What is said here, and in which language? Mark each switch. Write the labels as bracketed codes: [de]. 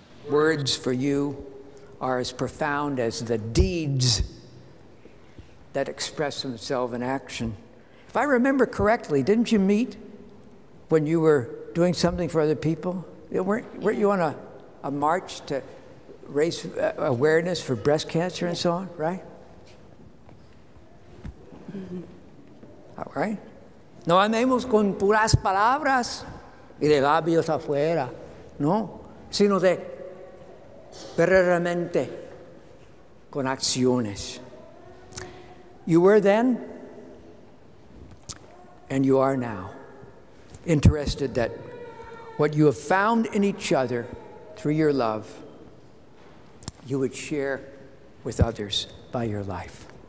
[en] Words for you are as profound as the deeds that express themselves in action. If I remember correctly, didn't you meet when you were doing something for other people? Weren't you on a march to raise awareness for breast cancer and so on, right? Mm-hmm. All right? [es] No andemos con puras palabras y de labios afuera, no, sino de verdaderamente con acciones. [en] You were then, and you are now, interested that what you have found in each other through your love, you would share with others by your life.